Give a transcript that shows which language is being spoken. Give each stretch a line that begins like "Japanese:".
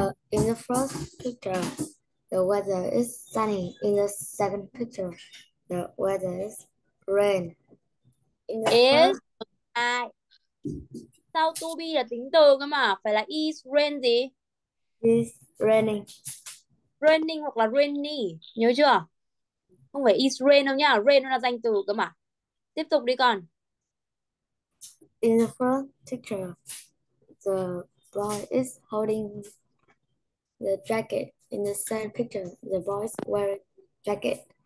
English: In the first picture, the weather is sunny. In the second picture, the weather is rain.
Vietnamese: Is ai? Sao to be là tính từ cơ mà, phải là
English: is rain
Vietnamese: gì?
English: Is raining.
Vietnamese: Raining hoặc là rainy, nhớ chưa? Không phải
English: is rain
Vietnamese: đâu nhá, rain là danh từ cơ mà. Tiếp tục đi con.
English: In the front picture, the boy is holding the jacket. In the second picture, the boy is wearing jacket.